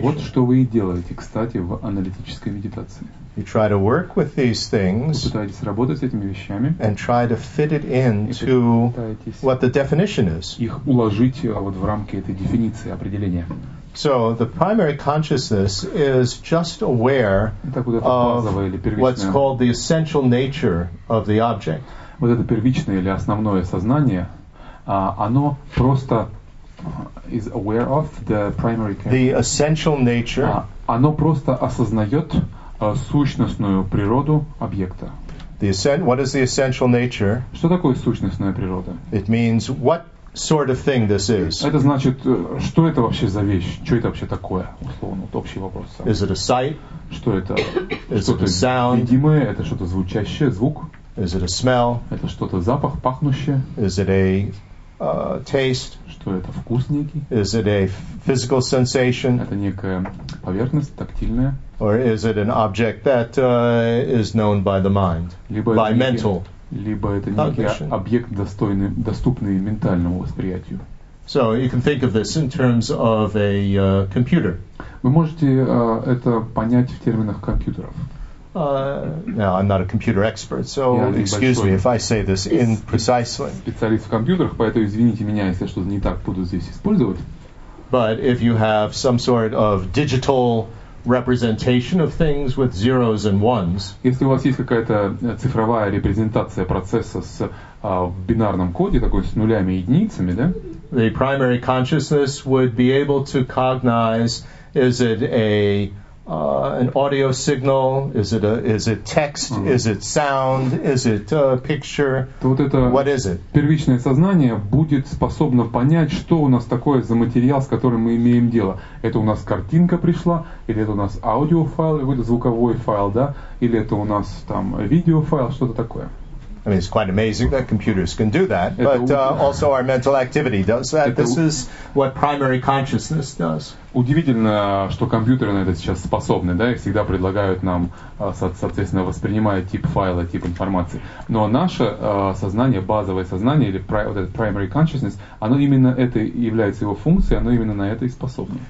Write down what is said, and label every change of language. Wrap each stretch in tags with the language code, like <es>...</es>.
<ru>Вот что вы и делаете, кстати, в аналитической медитации.</ru> <en>You try to work with these things and try to fit it into what the definition is.</en> <ru>Их уложить вот в рамки этой дефиниции, определения.</ru> <en>So the primary consciousness is just aware of what's called the essential nature of the object.</en> <ru>Вот это первичное или основное сознание, оно просто</ru> <en>is aware of the primary the essential nature.</en> <ru>Оно просто осознает сущностную природу объекта.</ru> <en>What is the essential nature?</en> <ru>Что такое сущностная природа?</ru> <en>It means what sort of thing this is.</en> <ru>Это значит, что это вообще за вещь? Что это вообще такое? Условно, вот общий вопрос.</ru> <en>Is it a sight?</en> <ru>Что это?</ru> <en>Is it a sound?</en> <ru>Видимое? Это что-то звучащее, звук?</ru> <en>Is it a smell?</en> <ru>Это что-то запах, пахнущее?</ru> <en>Is it a taste?</en> <ru>Что это, вкус некий?</ru> <en>Is it a physical sensation?</en> <ru>Это некая поверхность, тактильная?</ru> <en>Or is it an object that is known by the mind, by mental</en> <ru>либо это некий объект, доступный ментальному восприятию.</ru> <en>So you can think of this in terms of a computer.</en> <ru>Вы можете это понять в терминах компьютеров.</ru> <en>Now, I'm not a computer expert, so excuse me if I say this in precisely.</en> <ru>Специалист в компьютерах, поэтому извините меня, если что-то не так буду здесь использовать.</ru> <en>But if you have some sort of digital representation of things with zeros and ones.</en> <ru>Если у вас есть какая-то цифровая репрезентация процесса с в бинарном коде, такой с нулями и единицами, да?</ru> <en>The primary consciousness would be able to cognize, is it an audio signal, is it text, is it sound, is it a picture, what is it?</en> <ru>Первичное сознание будет способно понять, что у нас такое за материал, с которым мы имеем дело. Это у нас картинка пришла, или это у нас аудиофайл, или это звуковой файл, да? Или это у нас там видеофайл, что-то такое.</ru> <en>I mean, it's quite amazing that computers can do that, but also our mental activity does that. This is what primary consciousness does.</en> <ru>Удивительно, что компьютеры на это сейчас способны, да, и всегда предлагают нам, соответственно, воспринимая тип файла, тип информации. Но наше сознание, базовое сознание, или вот этот primary consciousness, оно именно это является его функцией, оно именно на это и способно.</ru>